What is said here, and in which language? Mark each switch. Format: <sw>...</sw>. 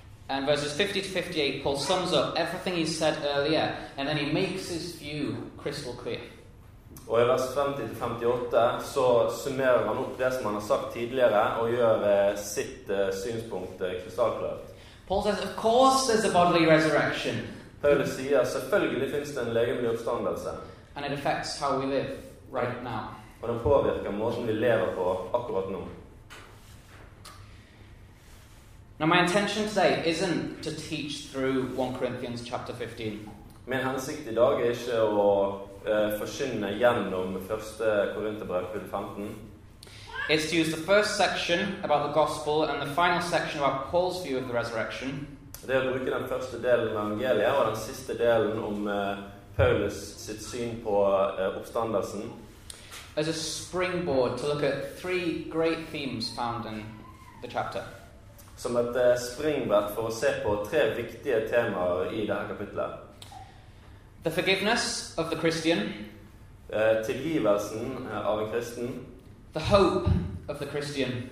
<en>And verses 50 to 58, Paul sums up everything he said earlier, and then he makes his view crystal clear.</en> <sv>Och i vers 50-58 så summerar han upp det som han har sagt tidigare och gör sitt synspunkt kristallklart.</sv> <en>Paul says, of course there's a bodily resurrection.</en> <sv>Paulus säger, självklart finns det en legemlig uppståndelse.</sv> <en>And it affects how we live right now.</en> <sv>Och den påverkar måten vi lever på akkurat nu.</sv> <en>Now my intention today isn't to teach through 1 Corinthians chapter 15.</en> <sv>Min hensikt idag är inte att förkynna genom första Korinthierbrevet 15.</sv> <en>It's to use the first section about the gospel and the final section about Paul's view of the resurrection.</en> <sv>Det är att bruka den första delen av evangeliet och den sista delen om Paulus sitt syn på uppståndelsen.</sv> <en>As a springboard to look at three great themes found in the chapter.</en> <sv>Som ett springbrett för att se på tre viktiga teman i det här kapitlet.</sv> <en>The forgiveness of the Christian.</en> <sv>Tillgivelsen av en kristen.</sv> <en>The hope of the Christian.</en>